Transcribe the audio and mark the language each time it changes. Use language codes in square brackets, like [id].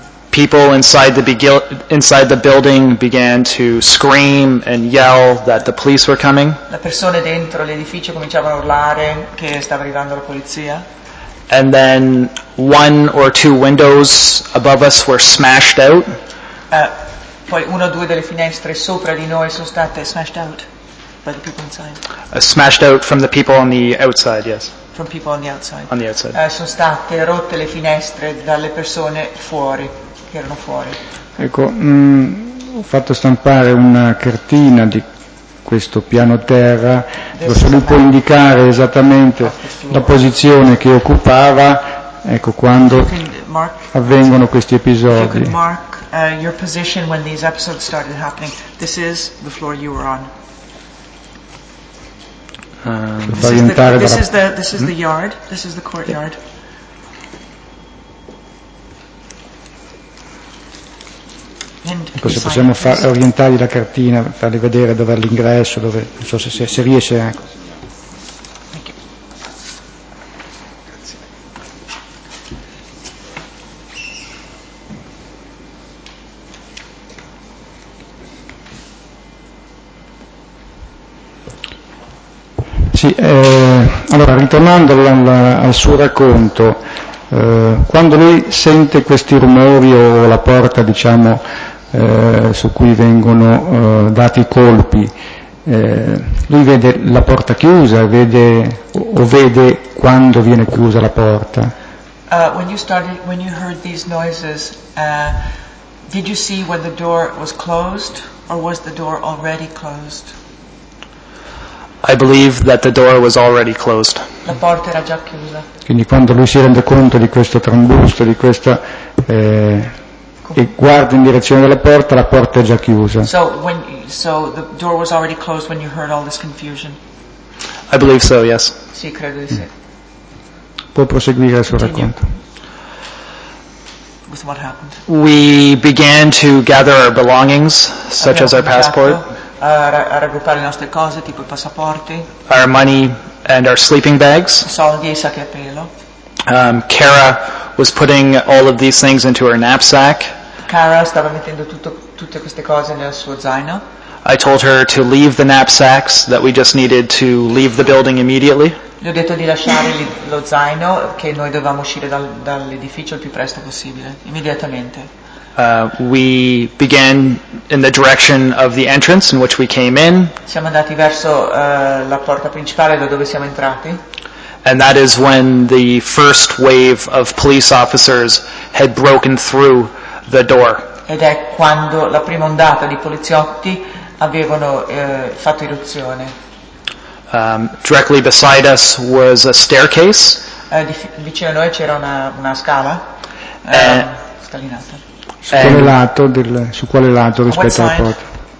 [en] People inside the building began to scream and yell that the police were coming. [it] Le persone dentro l'edificio cominciavano a urlare che stava arrivando la polizia. [en] And then one or two windows above us were smashed out. [it] Poi una o due delle finestre sopra di noi sono state [en] smashed out by the people inside. Smashed out from the people on the outside, yes. From people on the outside. On the outside. [it] Sono state rotte le finestre dalle persone fuori, che erano fuori. Ecco, ho fatto stampare una cartina di questo piano terra, se lui può indicare esattamente la posizione che occupava, ecco, quando avvengono questi episodi. [en] If you could mark your position when these episodes started happening, this is the floor you were on. This is the yard. This is the courtyard. [it] Ecco, se possiamo orientargli la cartina, fargli vedere dove è l'ingresso, dove non so se riesce. Ecco. Sì, allora ritornando al suo racconto, quando lui sente questi rumori o la porta, diciamo, su cui vengono dati i colpi, lui vede la porta chiusa, vede quando viene chiusa la porta. [en] When you heard these noises, did you see when the door was closed or was the door already closed? I believe that the door was already closed. [it] La porta era già chiusa. Quindi quando lui si rende conto di questo trambusto, di questa e guarda in direzione della porta, la porta è già chiusa. [en] So the door was already closed when you heard all this confusion. I believe so, yes. [it] Sì, credo di sì. Può proseguire il suo racconto. [en] With what happened? We began to gather our belongings, such as our passport. [it] A raggruppare le nostre cose, tipo i passaporti, [en] our money and our sleeping bags, [it] soldi e sacchi a pelo. [en] Kara was putting all of these things into her knapsack. [it] Kara stava mettendo tutte queste cose nel suo zaino. [en] I told her to leave the knapsacks, that we just needed to leave the building immediately. [it] Le ho detto di lasciare lo zaino, che noi dovevamo uscire dall'edificio il più presto possibile, immediatamente. [en] We began in the direction of the entrance in which we came in. [it] Siamo andati verso la porta principale da dove siamo entrati. [en] and that is when the first wave of police officers had broken through the door. [it] Ed è quando la prima ondata di poliziotti avevano fatto irruzione. [en] Directly beside us was a staircase. [it] Vicino a noi c'era una scala. Scalinata. Su quale lato del, su quale lato rispetto alla porta?